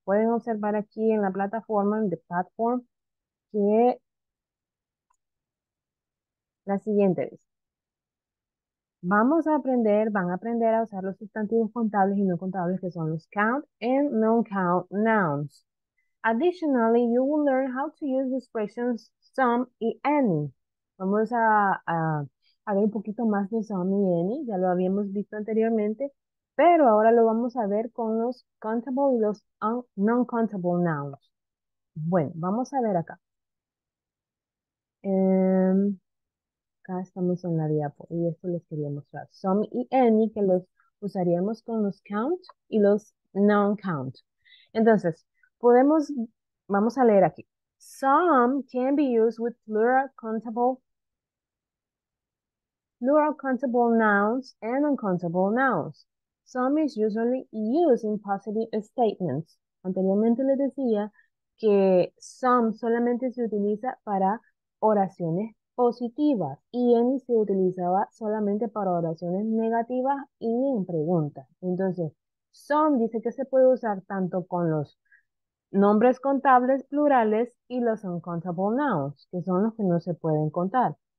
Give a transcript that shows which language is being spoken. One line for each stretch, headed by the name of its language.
Spanish: Pueden observar aquí en la plataforma, en
English: the platform,
Spanish: que la siguiente vez. Vamos a aprender, van a aprender a usar los sustantivos contables y no contables, que son los count and non-count nouns.
English: Additionally, you will learn how to use the expressions some y any.
Spanish: Vamos a ver un poquito más de some y any, ya lo habíamos visto anteriormente, pero ahora lo vamos a ver con los countable y los non-countable nouns. Bueno, vamos a ver acá. Acá estamos en la diapo y esto les quería mostrar. Some y any, que los usaríamos con los count y los non-count. Entonces, vamos a leer aquí.
English: Some can be used with plural countable nouns and uncountable nouns. Some is usually used in positive statements.
Spanish: Anteriormente les decía que some solamente se utiliza para oraciones positivas y any se utilizaba solamente para oraciones negativas y en preguntas. Entonces, some dice que se puede usar tanto con los nombres contables plurales y los uncountable nouns, que son los que no se pueden contar.